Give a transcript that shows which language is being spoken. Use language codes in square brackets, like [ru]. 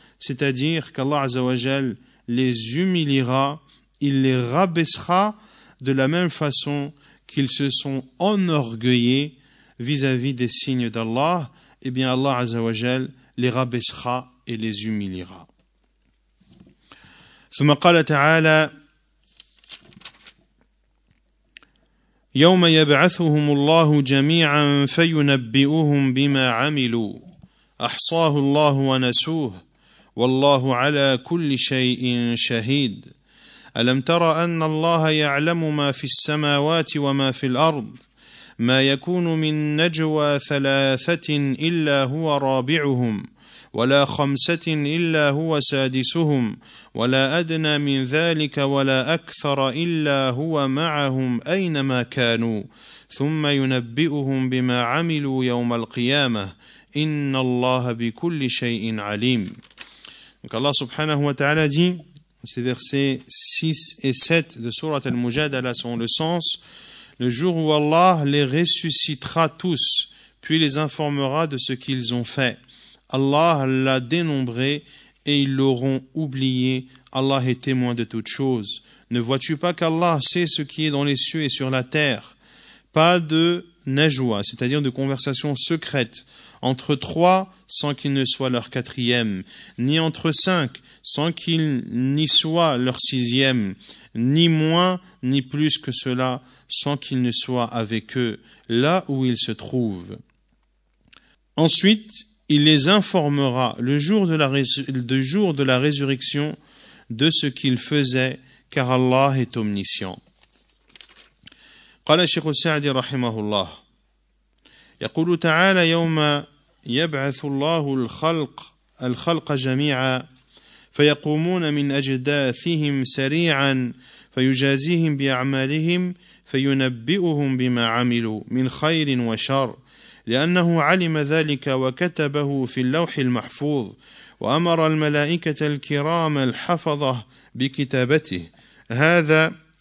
[fr] C'est-à-dire qu'Allah [ar] azawajal [fr] les humiliera, il les rabaissera de la même façon qu'ils se sont enorgueillés vis-à-vis des signes d'Allah, eh bien Allah azawajal les rabaissera et les humiliera. [ar] ثم قال تعالى يوم يبعثهم الله جميعا فينبئهم بما عملوا أحصاه الله ونسوه والله على كل شيء شهيد ألم تر أن الله يعلم ما في السماوات وما في الأرض ما يكون من نجوى ثلاثة إلا هو رابعهم ولا خمسة إلا هو سادسهم ولا أدنى من ذلك ولا أكثر إلا هو معهم أينما كانوا ثم ينبئهم بما عملوا يوم القيامة إن الله بكل شيء عليم. [fr] Donc Allah [ar] subhanahu wa ta'ala [fr] dit, ces versets 6 et 7 de sourate Al-Mujadala sont le sens, le jour où Allah les ressuscitera tous, puis les informera de ce qu'ils ont fait. Allah l'a dénombré et ils l'auront oublié. Allah est témoin de toutes choses. Ne vois-tu pas qu'Allah sait ce qui est dans les cieux et sur la terre? Pas de najwa, c'est-à-dire de conversation secrète, entre trois sans qu'il ne soit leur quatrième, ni entre cinq sans qu'il n'y soit leur sixième, ni moins ni plus que cela sans qu'il ne soit avec eux, là où ils se trouvent. Ensuite, il les informera le jour de la résurrection de ce qu'ils faisaient, car Allah est omniscient. [ar] قال الشيخ السعدي رحمه الله يقول تعالى يوم يبعث الله الخلق جميعا فيقومون من أجداثهم سريعا فيجازيهم بأعمالهم فينبئهم بما عملوا من خير وشر لأنه علم ذلك وكتبه في اللوح المحفوظ وأمر الملائكة الكرام الحفظة بكتابته هذا